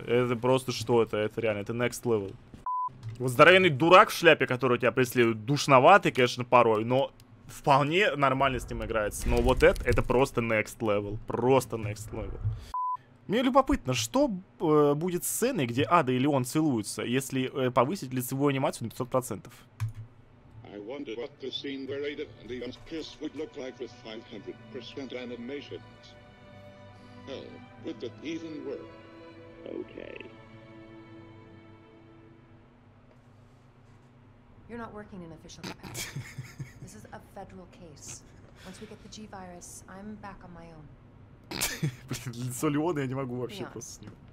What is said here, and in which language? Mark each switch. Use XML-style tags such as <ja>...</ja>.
<ru>Это просто что это? Это реально, это next level. Вот здоровенный дурак в шляпе, который тебя преследует, душноватый, конечно, порой, но вполне нормально с ним играется. Но вот это просто next level. Просто next level. Мне любопытно, что будет с сценой, где Ада и Леон целуются, если повысить лицевую анимацию на 500%?</ru> <en>I wonder what the scene where Ada and Leon's kiss would look like with 500% animations. Hell, would that even work? Okay. You're not working in official capacity. This is a federal case. Once we get the G-virus, I'm back on my own.</en> <ru>Блин, лицо Леона я не могу вообще просто с ним.</ru>